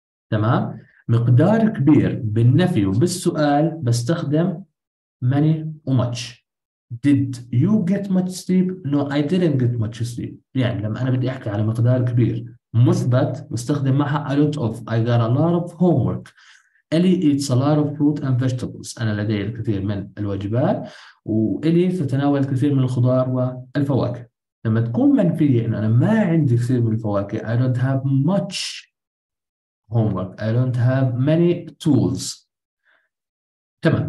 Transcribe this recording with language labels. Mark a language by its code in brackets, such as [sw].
[ar] تمام؟ مقدار كبير بالنفي وبالسؤال بستخدم many و much. [en] Did you get much sleep? No, I didn't get much sleep. [ar] يعني لما أنا بدي أحكي على مقدار كبير مثبت بستخدم معها a lot of. [en] I got a lot of homework. Ellie eats a lot of fruit and vegetables. [ar] أنا لدي الكثير من الوجبات، وإلي تتناول الكثير من الخضار والفواكه. لما تكون منفية إن أنا ما عندي كثير من الفواكه، [en] I don't have much homework. I don't have many tools. [ar] تمام.